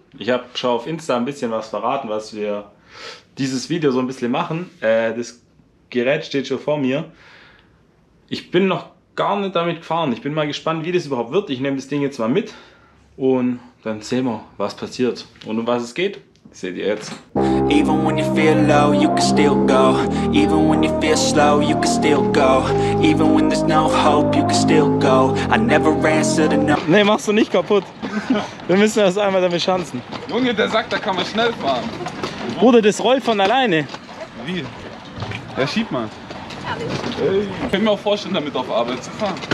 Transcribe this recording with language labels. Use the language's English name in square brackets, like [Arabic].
[German] Ich habe schon auf Insta ein bisschen was verraten, was wir dieses Video so ein bisschen machen. Das Gerät steht schon vor mir. Ich bin noch gar nicht damit gefahren. Ich bin mal gespannt, wie das überhaupt wird. Ich nehme das Ding jetzt mal mit und dann sehen wir, was passiert. Und um was es geht, seht ihr jetzt. [English] Even when you feel low, you can still go. Even when you feel slow, you can still go. Even when there's no hope, you can still go. I never answer to no. [German] Nee, machst du nicht kaputt. Wir müssen das einmal damit schanzen. Junge, der sagt, da kann man schnell fahren. Bruder, das rollt von alleine. Wie? Ja, schieb mal. Ich kann mir auch vorstellen, damit auf Arbeit zu fahren.